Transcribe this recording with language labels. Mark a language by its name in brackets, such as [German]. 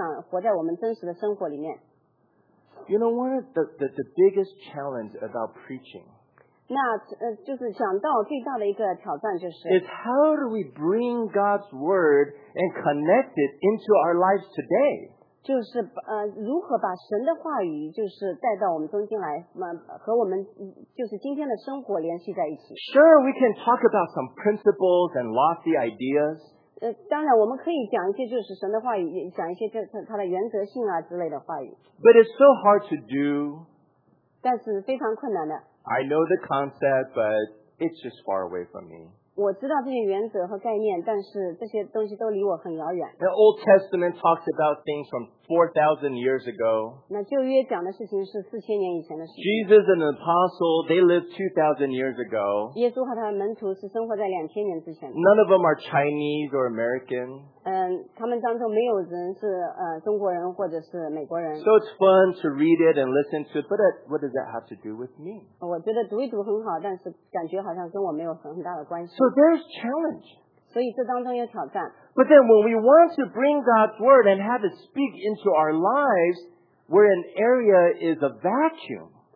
[Chinese] 我们呢想活在这个电视剧里面，而不想活在我们真实的生活里面。 [English] You know what the biggest challenge about preaching? [Chinese] 那就是讲到最大的一个挑战就是。 [English] Is how do we bring God's word and connect it into our lives today? [Chinese] 就是如何把神的话语就是带到我们中间来，和我们就是今天的生活联系在一起。 [English] Sure, we can talk about some principles and lofty ideas. [Chinese] 当然我们可以讲一些就是神的话语，讲一些就是它的原则性啊之类的话语。 [English] But it's so hard to do. [Chinese] 但是非常困难的。 [English] I know the concept, but it's just far away from me. [Chinese] 我知道这些原则和概念，但是这些东西都离我很遥远。 [English] The Old Testament talks about things from 4,000 years ago. [Chinese] 那旧约讲的事情是4,000年以前的事情。 [English] Jesus and the apostle, they lived 2,000 years ago. [Chinese] 耶稣和他的门徒是生活在2,000年之前的。 [English] None of them are Chinese or American. [Chinese] 他们当中没有人是中国人或者是美国人。 [English] So it's fun to read it and listen to it, but what does that have to do with me? [Chinese] 我觉得读一读很好，但是感觉好像跟我没有很大的关系。 [English] So there's challenge. [Chinese] 所以这当中有挑战。 [English] But then when we want to bring God's word and have it speak into our lives, where an area is a vacuum.